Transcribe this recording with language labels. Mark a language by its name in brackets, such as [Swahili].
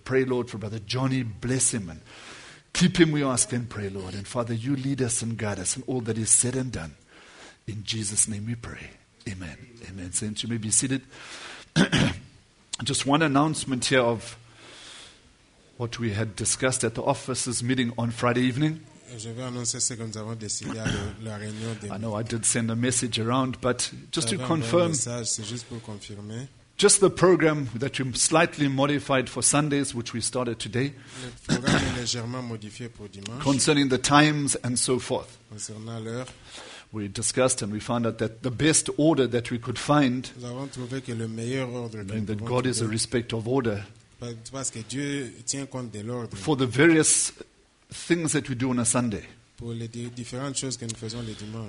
[English] Pray, Lord, for Brother Johnny. Bless him and keep him, we ask and pray, Lord. And Father, you lead us and guide us in all that is said and done. In Jesus' name we pray. Amen. Amen. Saints, you may be seated. Just one announcement here of what we had discussed at the officers' meeting on Friday evening. [French] Je vais annoncer ce que nous avons décidé à la réunion de [English] I know I did send a message around, but just to confirm, [French] message, c'est juste pour confirmer. [English] Just the program that you slightly modified for Sundays, which we started today, [French] le programme est légèrement modifié pour dimanche. [English] Concerning the times and so forth. [French] Concernant l'heure. [English] We discussed and we found out that the best order that we could find, [French] nous avons trouvé que le meilleur ordre [English] knowing that God [French] trouver, [English] is a respect of order, [French] parce que Dieu tient compte de l'ordre, [English] for the various things that we do on a Sunday. [French] Pour les différentes choses que nous faisons les dimanches.